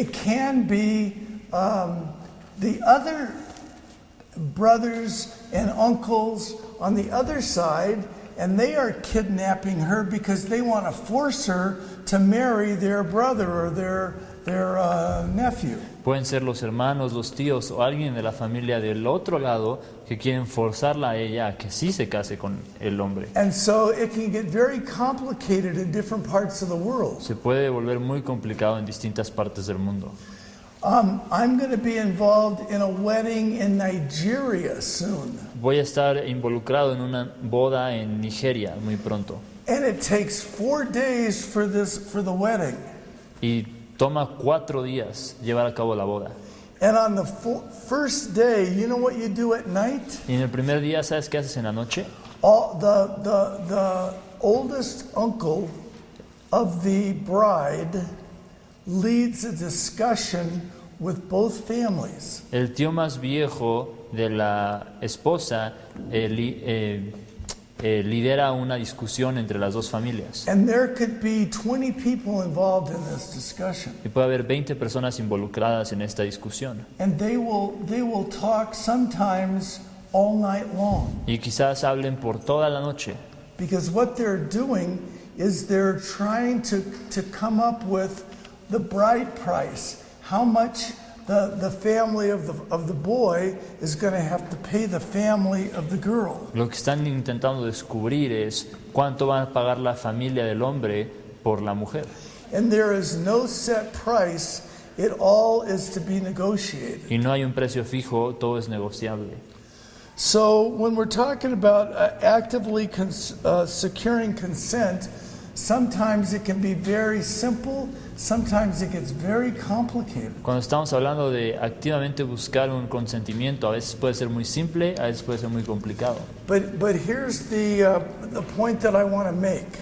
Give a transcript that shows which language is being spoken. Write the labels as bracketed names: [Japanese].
[English] It can be the other brothers and uncles on the other side, and they are kidnapping her because they want to force her to marry their brother or their nephew. [Spanish] Pueden ser los hermanos, los tíos o alguien de la familia del otro lado que quieren forzarla a ella a que sí se case con el hombre. [English] And so it can get very complicated in different parts of the world. [Spanish] Se puede volver muy complicado en distintas partes del mundo. [English] I'm going to be involved in a wedding in Nigeria soon. [Spanish] Voy a estar involucrado en una boda en Nigeria muy pronto. [English] And it takes 4 days for the wedding. [Spanish] Y toma 4 días llevar a cabo la boda. [English] And on the first day, you know what you do at night? [Spanish] Y en el primer día, ¿sabes qué haces en la noche? [English] The oldest uncle of the bride leads a discussion with both families. [Spanish] El tío más viejo de la esposa lidera una discusión entre las dos familias. [English] And there could be 20 people involved in this discussion. [Spanish] Y puede haber 20 personas involucradas en esta discusión. [English] And they will talk sometimes all night long. [Spanish] Y quizás hablen por toda la noche. [English] Because what they're doing is they're trying to come up with the bride price, how much the family of the boy is going to have to pay the family of the girl. [Spanish] Lo que están intentando descubrir es cuánto va a pagar la familia del hombre por la mujer. [English] And there is no set price; it all is to be negotiated. [Spanish] Y no hay un precio fijo; todo es negociable. [English] So when we're talking about actively securing consent, sometimes it can be very simple. Sometimes it gets very complicated. [Spanish] Cuando estamos hablando de activamente buscar un consentimiento, a veces puede ser muy simple, a veces puede ser muy complicado. [English] But here's the point that I want to make.